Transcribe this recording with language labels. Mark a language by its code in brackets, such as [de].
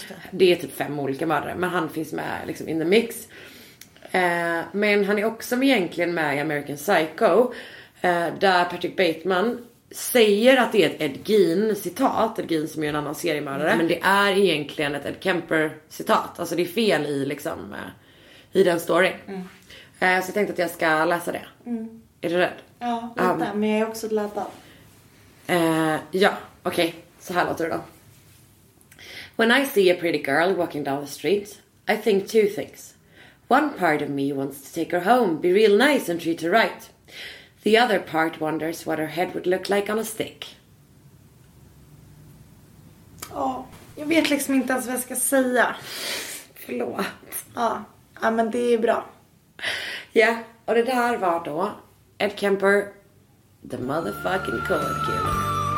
[sv] Det är typ 5 olika mördare, men han finns med liksom [en] in the mix. [sv] Men han är också egentligen med i American Psycho, där Patrick Bateman säger att det är ett Ed Gein citat Ed Gein som är en annan seriemördare. Men det är egentligen ett Ed Kemper citat Alltså det är fel i liksom i den storyn. Så jag tänkte att jag ska läsa det. Är du rädd? Ja, lite, men jag är också laddad. Ja, okej, okay. Så här låter det då. [en] When I see a pretty girl walking down the street, I think two things. One part of me wants to take her home, be real nice and treat her right. The other part wonders what her head would look like on a stick. [sv] Ja, oh, jag vet liksom inte ens vad jag ska säga. Förlåt. Ja, ah, ah, men det är bra. Ja, yeah. Och det där var då Ed Kemper, [en] the motherfucking color killer.